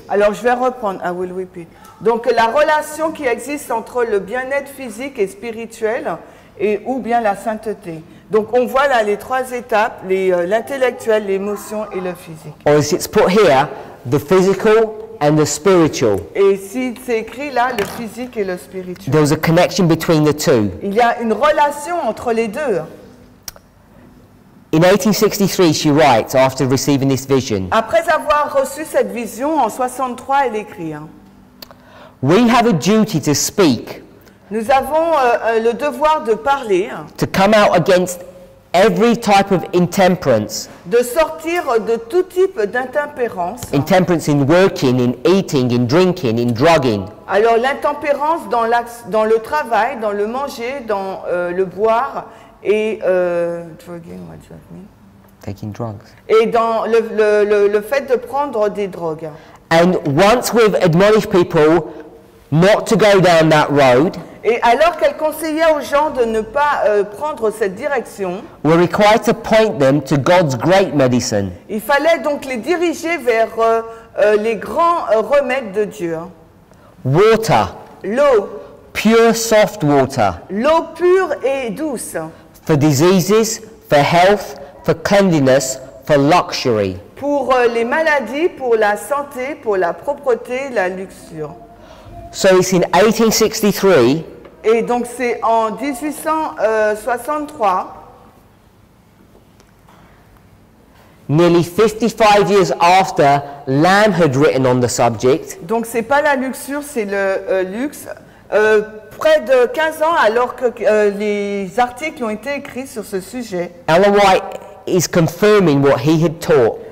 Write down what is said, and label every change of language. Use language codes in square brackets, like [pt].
[fr] Alors je vais reprendre, [en] I will repeat. [fr] Donc la relation qui existe entre le bien-être physique et spirituel et ou bien la sainteté. Donc on voit là les trois étapes, l'intellectuel, l'émotion et le physique. [en] Or is it put here, the physical and the spiritual. [fr] Et si c'est écrit là, le physique et le spirituel. [en] There's a connection between the two. [fr] Il y a une relation entre les deux. [en] In 1863, she writes, after receiving this vision. [fr] Après avoir reçu cette vision, en 63, elle écrit. Hein. [en] We have a duty to speak. [fr] Nous avons le devoir de parler. [en] To come out against every type of intemperance. [fr] De sortir de tout type d'intempérance. [en] Intemperance in working, in eating, in drinking, in drugging. [fr] Alors l'intempérance dans le travail, dans le manger, dans le boire. [en] Et drugging, what does that mean? Taking drugs. [fr] Et dans le fait de prendre des drogues. [en] And once we've admonished people not to go down that road. [fr] Et alors qu'elle conseillait aux gens de ne pas prendre cette direction. [en] We're required to point them to God's great medicine. [fr] Il fallait donc les diriger vers les grands remèdes de Dieu. [en] Water. [fr] L'eau. [en] Pure soft water. [fr] L'eau pure et douce. [en] For diseases, for health, for cleanliness, for luxury. [fr] Pour les maladies, pour la santé, pour la propreté, la luxure. [en] So it's in 1863. [fr] Et donc c'est en 1863. [en] Nearly 55 years after Lamb had written on the subject. [fr] Donc c'est pas la luxure, c'est le luxe. Près de 15 ans alors que les articles ont été écrits sur ce sujet. [en] Ellen White is confirming what he had taught.